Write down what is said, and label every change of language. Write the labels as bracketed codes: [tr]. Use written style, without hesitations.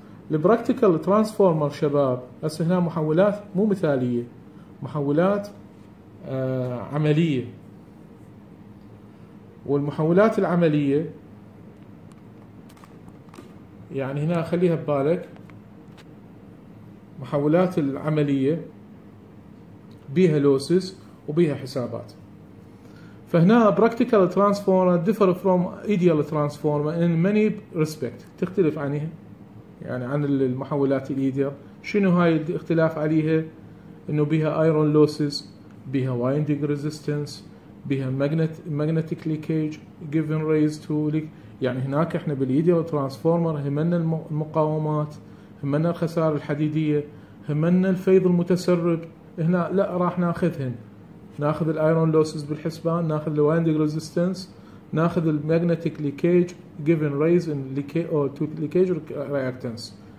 [ar] البراكتيكال ترانسفورمر شباب هسا هنا محولات مو مثالية، محولات عملية، والمحولات العملية يعني هنا خليها ببالك، محولات العملية بيها لوسز وبيها حسابات. [en] فهنا practical transformer differ from ideal transformer in many respect، [ar] تختلف عنها يعني عن المحولات الايديال. شنو هاي الاختلاف عليها؟ انه بيها [en] iron losses، بيها winding resistance، بيها magnetic leakage given rise to leak. [ar] يعني هناك احنا بالايديال ترانسفورمر همنا المقاومات، همنا الخسائر الحديديه، همنا الفيض المتسرب، هنا لا راح ناخذهم، ناخذ الايرون لوسز بالحسبان، ناخذ الويندنج ريزيستنس، ناخذ الماجنتيك ليكيج جيفن ريز ان ليكيج رياكتنس.